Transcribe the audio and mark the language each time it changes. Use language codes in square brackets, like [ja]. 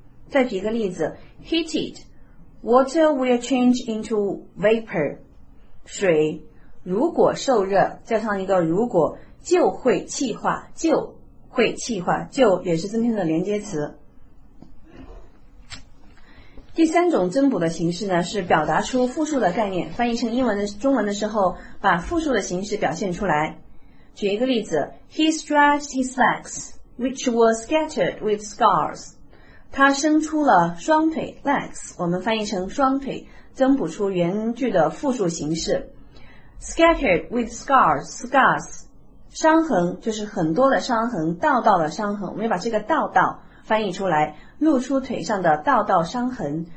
[zh] 再举一个例子， [en] Heated water will change into vapor， [zh] 水如果受热，加上一个如果，就会气化，就会气化，就也是增添的连接词。第三种增补的形式呢，是表达出复数的概念，翻译成英文的中文的时候，把复数的形式表现出来。举一个例子， [en] He stretched his legs, which were scattered with scars. [zh] 他伸出了双腿 legs， 我们翻译成双腿，增补出原句的复数形式。 [en] Scattered with scars， [zh] 伤痕就是很多的伤痕，道道的伤痕，我们要把这个道道翻译出来，露出腿上的道道伤痕。